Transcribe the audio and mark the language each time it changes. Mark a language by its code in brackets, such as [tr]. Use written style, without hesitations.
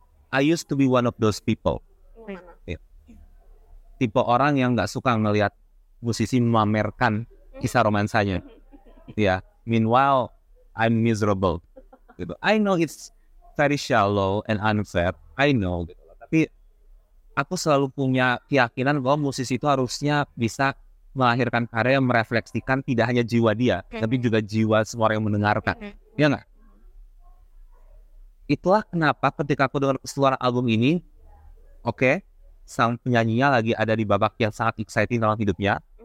[en] I used to be one of those people. [id] Tipe orang yang gak suka ngelihat musisi memamerkan kisah romansanya. [en] Ya, meanwhile, I'm miserable. I know it's very shallow and unfair. I know. [id] Tapi aku selalu punya keyakinan bahwa musisi itu harusnya bisa melahirkan karya yang merefleksikan tidak hanya jiwa dia, tapi juga jiwa semua orang yang mendengarkan. Ya gak? Itulah kenapa ketika aku dengar keluar album ini, oke, okay, sang penyanyinya lagi ada di babak yang sangat exciting dalam hidupnya.